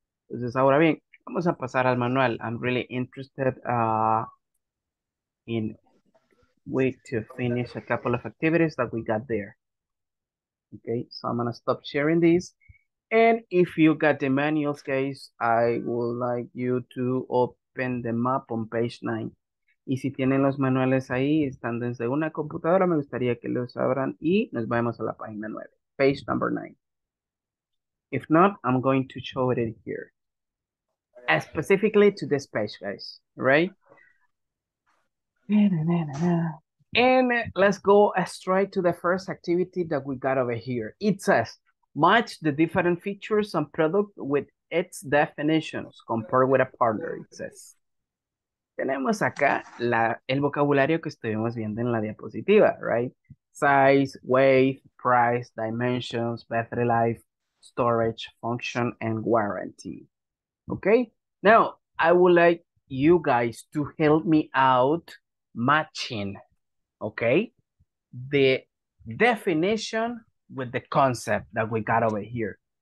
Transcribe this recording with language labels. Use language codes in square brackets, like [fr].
[es] Entonces, ahora bien, vamos a pasar al manual. [en] I'm really interested in wait to finish a couple of activities that we got there. Okay, so I'm gonna stop sharing these. And if you got the manuals, guys, I would like you to open the map on page 9. [es] Y si tienen los manuales ahí, están desde una computadora, me gustaría que los abran y nos vamos a la página 9. [en] Page number 9. If not, I'm going to show it here. Specifically to this page, guys. Right? And let's go straight to the first activity that we got over here. It says, match the different features and product with its definitions compared with a partner, it says. [es] Tenemos acá la, el vocabulario que estuvimos viendo en la diapositiva, right? [en] Size, weight, price, dimensions, battery life, storage, function, and warranty. Okay? Now, I would like you guys to help me out matching, okay, the definition with the concept that we got over here.